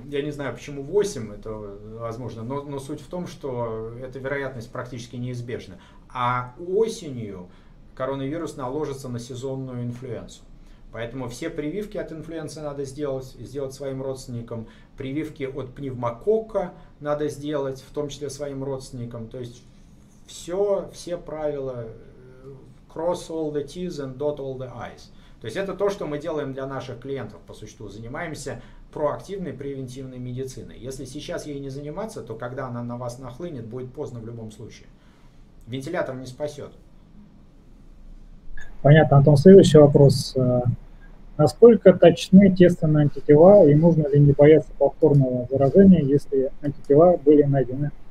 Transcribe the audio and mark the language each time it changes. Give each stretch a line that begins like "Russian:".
Russian: Я не знаю, почему 8, это возможно, но суть в том, что эта вероятность практически неизбежна. А осенью коронавирус наложится на сезонную инфлюенсу. Поэтому все прививки от инфлюенсы надо сделать своим родственникам. Прививки от пневмокока надо сделать, в том числе своим родственникам. То есть все правила,
English: cross all the T's and dot all the I's.
Russian: То есть это то, что мы делаем для наших клиентов, по существу. Занимаемся проактивной превентивной медициной. Если сейчас ей не заниматься, то когда она на вас нахлынет, будет поздно в любом случае. Вентилятор не спасет. Понятно. Антон, следующий вопрос. Насколько точны тесты на антитела и нужно ли не бояться повторного заражения, если антитела были найдены?